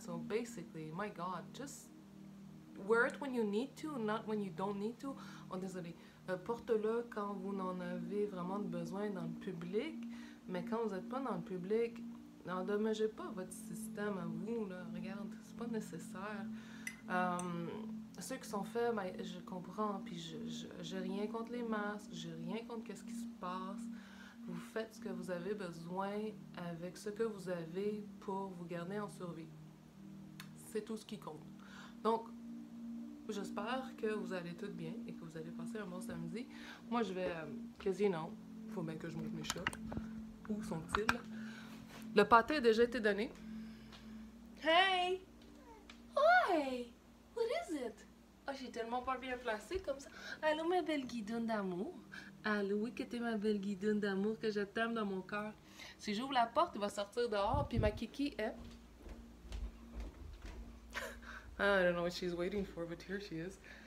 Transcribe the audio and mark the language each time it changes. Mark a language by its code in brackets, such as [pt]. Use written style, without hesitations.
[en] So basically, my God, just wear it when you need to, not when you don't need to. [fr] Oh, désolé. Porte-le quand vous n'en avez vraiment besoin dans le public, mais quand vous n'êtes pas dans le public, n'endommagez pas votre système à vous, là. Regarde, c'est pas nécessaire. Ceux qui sont faits, ben, je comprends, puis j'ai rien contre les masques, j'ai rien contre qu'est-ce qui se passe. Vous faites ce que vous avez besoin avec ce que vous avez pour vous garder en survie. C'est tout ce qui compte. Donc, j'espère que vous allez tout bien et que vous allez passer un bon samedi. Moi, je vais casino. Faut bien que je mange mes chats. Où sont-ils? Le pâté a déjà été donné. Hey! [en] Hi! What is it? [fr] Oh, j'ai tellement pas bien placé comme ça. Allô, ma belle guidoune d'amour. Allô, oui, que t'es ma belle guidoune d'amour, que je t'aime dans mon cœur. Si j'ouvre la porte, il va sortir dehors, puis ma kiki est... [en] I don't know what she's waiting for, but here she is.